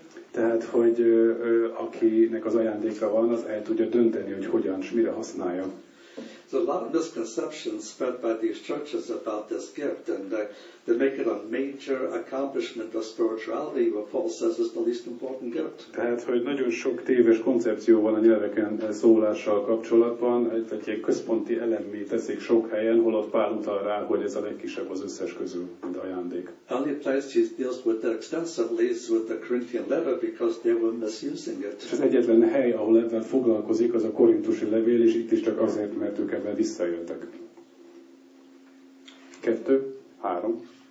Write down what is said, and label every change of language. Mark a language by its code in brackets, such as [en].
[hu] Tehát, hogy akinek az ajándéka van, az el tudja dönteni, hogy hogyan és mire használja. [en] So a lot of misconceptions spread by these churches about this gift, and they make it a major accomplishment of spirituality, where Paul says it's the least important gift. [hu] Tehát, hogy nagyon sok téves koncepció van a nyelveken szólással kapcsolatban, egy központi elemmé teszik sok helyen, holott Pál utal rá, hogy ez a legkisebb az összes közül, mint ajándék. [en] Only place he deals with that extensively is with the Corinthian letter, because they were misusing it. [hu] És az egyetlen hely, ahol ebben foglalkozik, az a korintusi levél, és itt is csak azért, mert ők ebben visszajöttek. 2, 3.